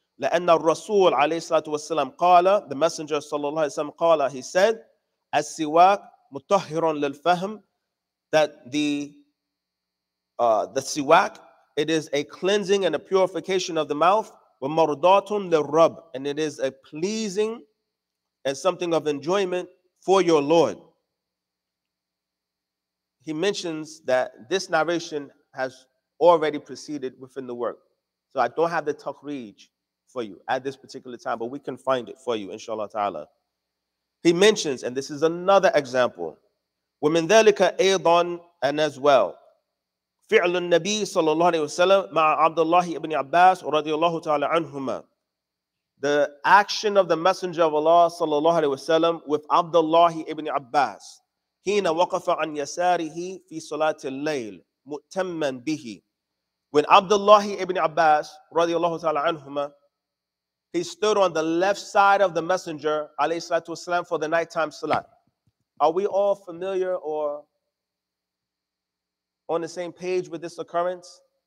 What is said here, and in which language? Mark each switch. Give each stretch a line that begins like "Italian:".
Arabic: لأن الرسول عليه الصلاة والسلام قال,
English: the messenger
Arabic: صلى الله عليه وسلم قال,
English: he said,
Arabic: السواك مطهر للفهم,
English: that the siwak, it is a cleansing and a purification of the mouth,
Arabic: وَمَرْضَاتٌ لِلْرَبِّ,
English: and it is a pleasing and something of enjoyment for your Lord. He mentions that this narration has already preceded within the work. So I don't have the takhrij for you at this particular time, but we can find it for you, inshallah ta'ala. He mentions, and this is another example,
Arabic: وَمِنْ ذَلِكَ أَيْضًا,
English: and as well,
Arabic: فعل النبي صلى الله عليه وسلم مع عبد الله بن عباس رضي الله تعالى عنهما.
English: The action of the Messenger of Allah
Arabic: صلى الله عليه وسلم
English: with عبد الله بن عباس.
Arabic: حين وقف عن يساره في صلاة الليل مؤتما به.
English: When عبد الله بن عباس
Arabic: رضي الله تعالى عنهما,
English: he stood on the left side of the Messenger
Arabic: عليه الصلاة والسلام
English: for the nighttime salat. Are we all familiar or on the same page with this occurrence?